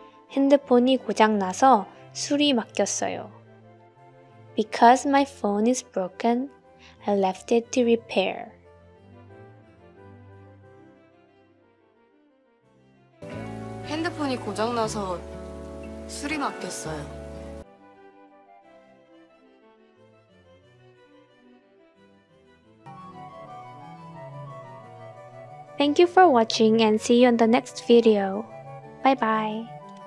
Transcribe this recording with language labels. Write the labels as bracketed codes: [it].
[ko] 핸드폰이 고장나서 수리 맡겼어요. [en] Because my phone is broken, I left it to repair. [ko] 핸드폰이 고장나서 수리 맡겼어요. [en] 땡큐 포 워칭 앤 씨 유 온 더 넥스트 비디오. 바이바이.